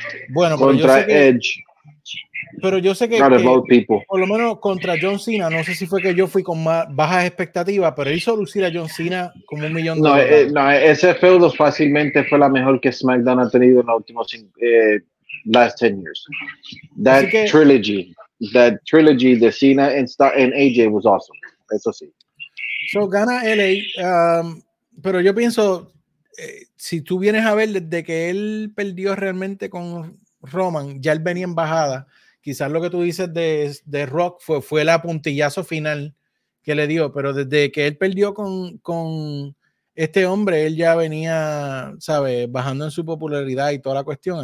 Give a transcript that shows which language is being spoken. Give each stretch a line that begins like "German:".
Spanish: bueno, contra pero yo sé que, Edge. Pero yo sé que por lo menos contra John Cena, no sé si fue que yo fui con más bajas expectativas, pero hizo lucir a John Cena como un millón de dólares. No, ese feudo fácilmente fue la mejor que SmackDown ha tenido en los últimos
English: last 10 years. That que, trilogy, that trilogy de Cena and Star and AJ was awesome.
Spanish: Eso sí. So gana LA, pero yo pienso, si tú vienes a ver desde que él perdió realmente con Roman, ya él venía en bajada. Quizás lo que tú dices de Rock fue el apuntillazo final que le dio, pero desde que él perdió con este hombre, él ya venía, ¿sabes?, bajando en su popularidad y toda la cuestión.